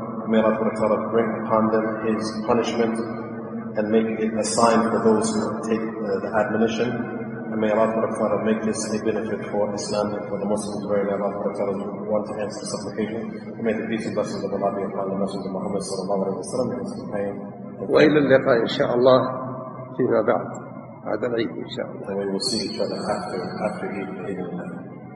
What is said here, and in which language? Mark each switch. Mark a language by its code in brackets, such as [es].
[en] May Allah Subhanahu wa Ta'ala bring upon them His punishment and make it a sign for those who take the admonition. And may Allah Subhanahu wa Ta'ala make this a benefit for Islam and for the Muslims. Very may Allah Subhanahu wa Ta'ala want to answer the supplication. And may the peace and blessings of Allah be upon the Messenger Muhammad sallallahu alaihi wasallam. And may the [ar] وإلى اللقاء إن شاء الله فيما بعد هذا العيد إن شاء الله. [en] And we will see each other after Eid.